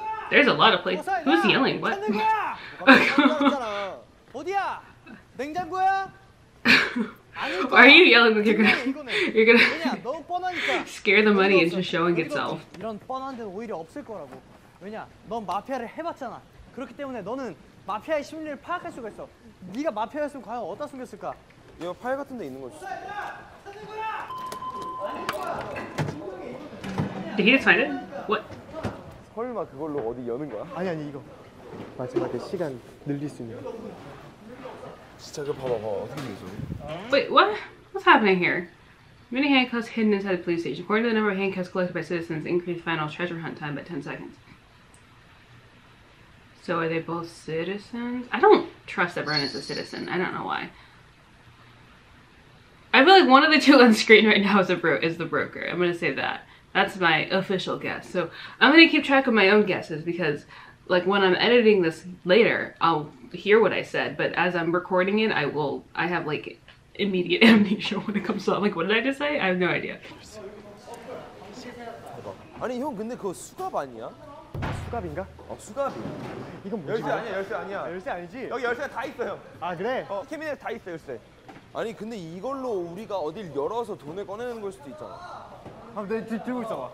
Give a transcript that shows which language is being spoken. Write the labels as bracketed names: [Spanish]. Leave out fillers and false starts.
[English] There's a lot of places. Who's yelling? What? [Korean] 찾는 거야! 어디야? 냉장고야? [English] 아니, Are you yelling with your gun? You're gonna 왜냐, scare the money into showing itself. [Korean] 이런 뻔한 데는 오히려 없을 거라고. 왜냐, 넌 마피아를 해봤잖아. 그렇기 때문에 너는 마피아의 심리를 파악할 수가 있어. 네가 마피아였으면 과연 어디다 숨겼을까? 이거 파일 같은 데 있는 거지. [English] Did he just find it? What? [Korean] 설마 그걸로 어디 여는 거야? 아니 아니 이거 마지막에 시간 늘릴 수 있는. 진짜 그 봐봐 어떻게 되죠? [English] Wait, what? What's happening here? Many handcuffs hidden inside the police station. According to the number of handcuffs collected by citizens, increased final treasure hunt time by 10 seconds. So are they both citizens? I don't trust that Brennan is a citizen. I don't know why. I feel like one of the two on screen right now is the broker. I'm gonna say that. That's my official guess. So I'm gonna keep track of my own guesses because like when I'm editing this later, I'll hear what I said. But as I'm recording it, I have like immediate amnesia when it comes to like, what did I just say? I have no idea. [Korean] 아니 형 근데 그거 수갑 아니야? 수갑인가? 어 수갑이야. 이건 뭐지? 열쇠 아니야 열쇠 아니야. 열쇠 아니지? 여기 열쇠 다 있어 형. 아 그래? 어 캐비넷 다 있어 열쇠. 아니 근데 이걸로 우리가 어딜 열어서 돈을 꺼내는 걸 수도 있잖아. 아 내 뒤 들고 있잖아.